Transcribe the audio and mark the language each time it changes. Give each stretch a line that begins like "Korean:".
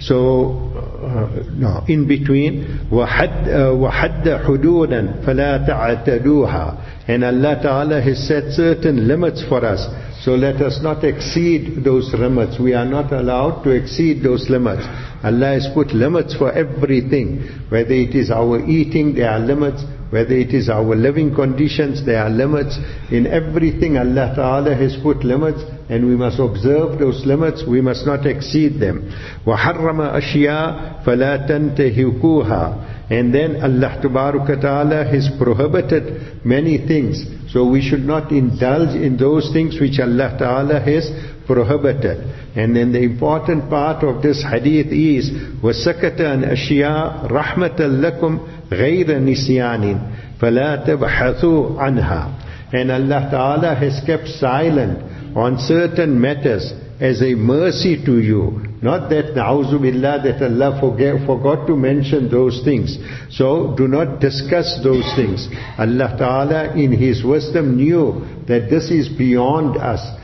English: So, in between,
Arabic: وَحَدَّ حُدُودًا فَلَا تَعْتَدُوهَا.
English: And Allah Ta'ala has set certain limits for us. So let us not exceed those limits. We are not allowed to exceed those limits. Allah has put limits for everything. Whether it is our eating, there are limits. Whether it is our living conditions, there are limits. In everything, Allah Ta'ala has put limits. And we must observe those limits. We must not exceed them.
Arabic: وَحَرَّمَ أَشْيَاءَ فَلَا تَنْتَهِكُوهَا.
English: And then Allah Ta'ala has prohibited many things. So we should not indulge in those things which Allah Ta'ala has prohibited. And then the important part of this hadith is,
Arabic: وَسَكَتَ أَنْ أَشْيَاءَ رَحْمَةً لَكُمْ غَيْرَ نِسْيَانٍ فَلَا تَبْحَثُوا عَنْهَا.
English: And Allah Ta'ala has kept silent on certain matters as a mercy to you. Not that, na'uzu billah, that Allah forgot to mention those things. So do not discuss those things. Allah Ta'ala in His wisdom knew that this is beyond us.